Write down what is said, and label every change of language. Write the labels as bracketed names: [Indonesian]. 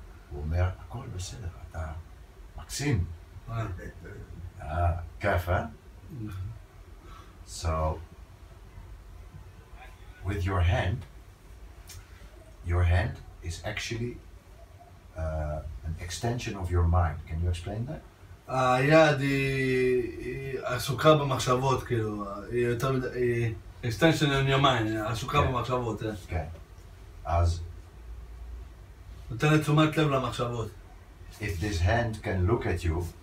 [Hebrew] הוא אומר, הכל בסדר, אתה מקסים. כיף, אה? [English] So, with your hand is actually an extension of your mind. Can you explain that? [Hebrew] היד היא עסוקה במחשבות, כאילו, היא יותר מדי, היא [English] extension on your mind, [Hebrew] עסוקה במחשבות, כן. אז... נותן לתשומת לב למחשבות. [English] If this hand can look at you,